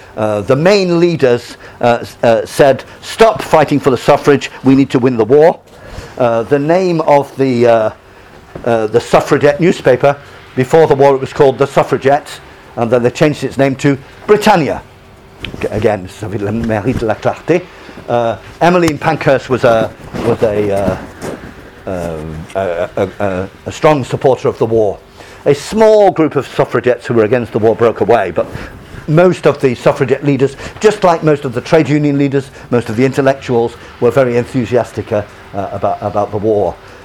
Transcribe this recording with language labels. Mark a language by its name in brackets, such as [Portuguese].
[English] The main leaders said, stop fighting for the suffrage, we need to win the war. The name of the suffragette newspaper, before the war it was called The Suffragette, and then they changed its name to Britannia. [French] Again, ça veut dire le mérite de la clarté. [English] Emmeline Pankhurst was a strong supporter of the war. A small group of suffragettes who were against the war broke away, but most of the suffragette leaders, just like most of the trade union leaders, most of the intellectuals, were very enthusiastic about the war.